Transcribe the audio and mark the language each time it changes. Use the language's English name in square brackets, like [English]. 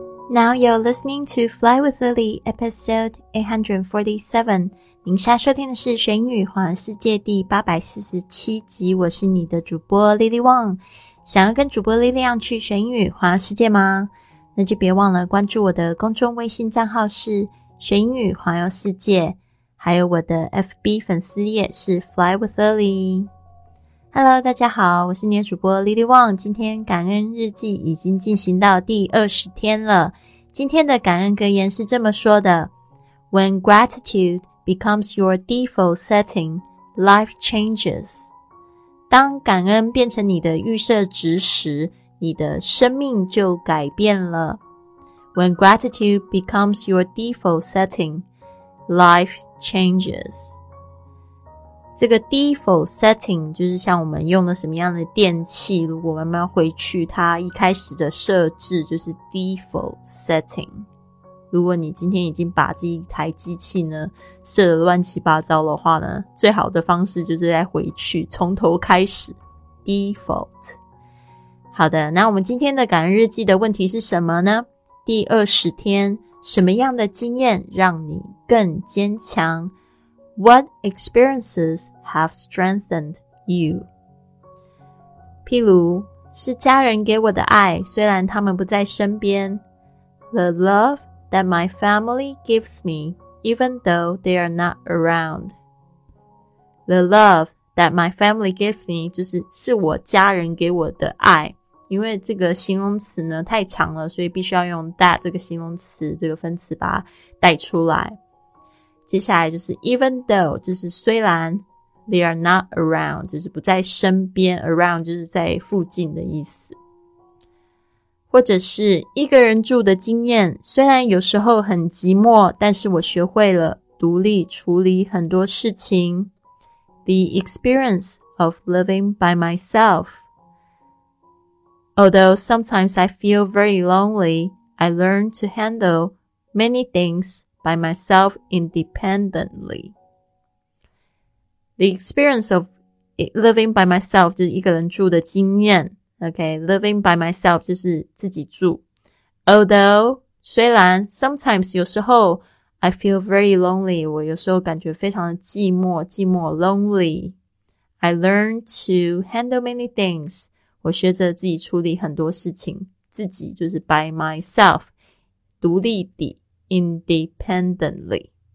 [English] Now you're listening to Fly with Lily, episode 847. [Chinese] 您现在收听的是玄语环游世界第847集，我是你的主播 Lily Wang。想要跟主播 Lily Wang 去玄语环游世界吗？那就别忘了关注我的公众微信账号是玄语环游世界，还有我的 FB 粉丝页是 Fly with Lily。 Hello， 大家好，我是你的主播 Lily Wang。今天感恩日记已经进行到第20天了。今天的感恩格言是这么说的： [English] When gratitude becomes your default setting, life changes. [Chinese] 当感恩变成你的预设值时，你的生命就改变了。 [English] When gratitude becomes your default setting, life changes. [Chinese] 这个 default setting 就是像我们用的什么样的电器，如果我们要回去它一开始的设置就是 default setting。如果你今天已经把这一台机器呢设得乱七八糟的话呢，最好的方式就是再回去从头开始 default。好的，那我们今天的感恩日记的问题是什么呢？第20天什么样的经验让你更坚强？ [English] What experiences have strengthened you? [Chinese] 譬如，是家人给我的爱，虽然他们不在身边。 [English] The love that my family gives me, even though they are not around. The love that my family gives me, [Chinese] 就是是我家人给我的爱。因为这个形容词呢，太长了，所以必须要用 that 这个形容词，这个分词把它带出来。接下来就是 [English] even though， [Chinese] 就是虽然 [English] they are not around， [Chinese] 就是不在身边， around 就是在附近的意思。或者是一个人住的经验，虽然有时候很寂寞，但是我学会了独立处理很多事情。 [English] The experience of living by myself. Although sometimes I feel very lonely, I learn to handle many thingsby myself independently. The experience of living by myself [Chinese] 就是一个人住的经验。 OK, [English] living by myself [Chinese] 就是自己住。 [English] Although, [Chinese] 虽然 [English] sometimes [Chinese] 有时候 [English] I feel very lonely, [Chinese] 我有时候感觉非常的寂寞 lonely. [English] I learn to handle many things, [Chinese] 我学着自己处理很多事情，自己就是 [English] by myself, [Chinese] 独立地 [English] independently。